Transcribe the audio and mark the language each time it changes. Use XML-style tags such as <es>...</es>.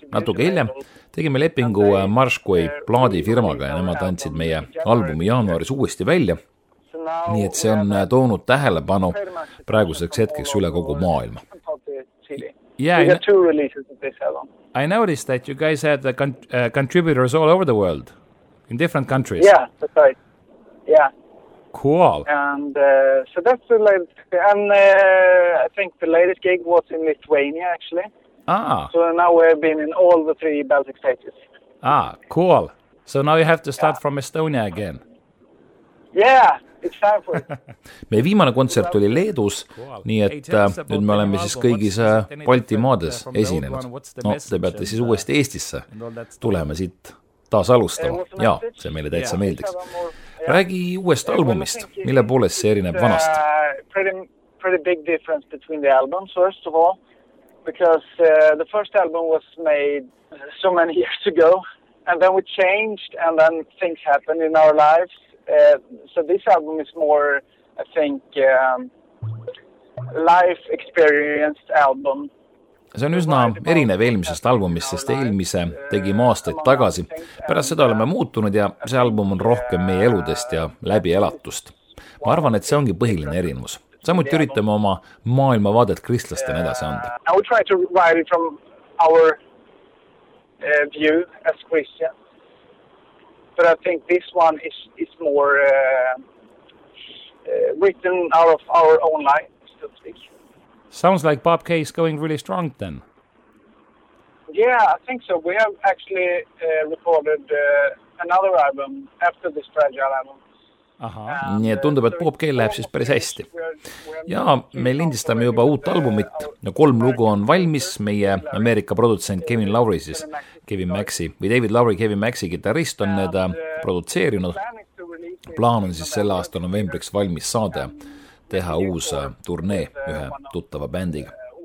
<et>Natuke hiljem tegime lepingu Marshway plaadi firmaga ja nemad andsid meie albumi jaanuaris uuesti välja. Nii et see on toonud tähelepanu praeguseks hetkeks üle kogu maailma.</et> <en>Yeah, we had two releases of this album. I noticed that you guys had contributors all over the world. In different countries. Yeah, that's right. Yeah. Cool. And so that's the latest. And I think the latest gig was in Lithuania, actually. Ah. So now we've been in all the three Baltic states. Ah, cool. So now you have to start from Estonia again. Yeah.</en> <et>Me viimane kontsert oli Leedus, nii et nüüd me oleme siis kõigis Balti maades esinenud. No, te peate siis uuesti Eestisse tulema siit taas alustama. Jaa, see meile täitsa meeldiks. Räägi uuest albumist, mille poolest see erineb vanast?</et> <en>Pretty big difference between the albums, first of all, because the first album was made so many years ago, and then we changed, and then things happened in our lives. So this album is more, I think, life experienced album.</en> <et>See on üsna erinev eelmisest albumist, sest eelmise tegime aastaid tagasi. Pärast seda oleme muutunud ja see album on rohkem meie eludest ja läbi elatust. Ma arvan, et see ongi põhiline erinevus. Samuti üritame oma maailma vaadet kristlastele edasi anda.</et> <en>I would try to write it from our view as Christians. But I think this one is more written out of our own life, so to speak. Sounds like Bob Kay is going really strong then. Yeah, I think so. We have actually recorded another album after this Fragile album.</en> <et>Nii et tundub, et Bob Kay läheb siis päris hästi. Ja me lindistame juba uut albumit. Kolm lugu on valmis. Meie Ameerika produtsent Kevin Lowry, siis Kevin Maxi, või David Lowry, Kevin Maxi kitarist on need produtseerinud. Plaan on siis selle aasta novembriks valmis saada teha uus turnee ühe tuttava bändiga.</et>